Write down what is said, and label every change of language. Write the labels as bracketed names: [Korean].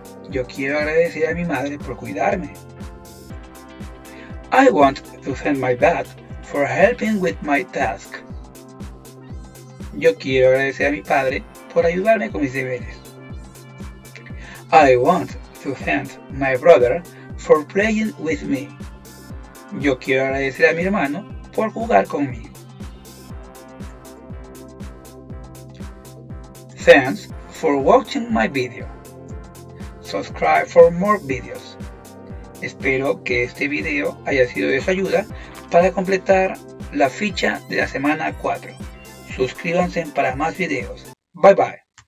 [Spanish] Yo quiero agradecer a mi madre por cuidarme. [English] I want to thank my dad for helping with my task. [Spanish] Yo quiero agradecer a mi padre por ayudarme con mis deberes. [English] I want to thank my brother for playing with me. [Spanish] Yo quiero agradecer a mi hermano por jugar conmigo. [English] Thanks for watching my video. Subscribe for more videos. [Spanish] Espero que este video haya sido de su ayuda para completar la ficha de la semana 4. Suscríbanse para más videos. Bye bye.